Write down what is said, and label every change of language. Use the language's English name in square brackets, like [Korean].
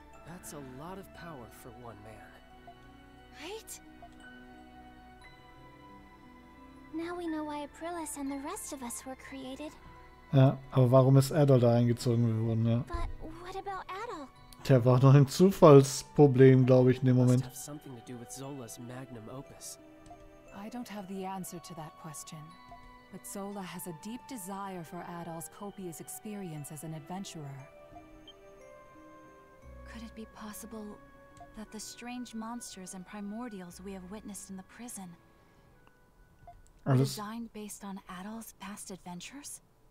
[English] That's a lot of power for one man. Right? Now we know why Aprilis and the rest of us were created. [German] Ja, aber warum ist Adol da eingezogen worden, ja? [English] But what about Adol? [German] Der war noch ein Zufallsproblem, glaube ich, in dem Moment. [English] Must have something to do with Zola's magnum opus. I don't have the answer to that question. But Zola has a deep desire for Adol's copious experience as an adventurer. Could it be possible that the strange monsters and primordials we have witnessed in the prison are designed based on Adol's past adventures?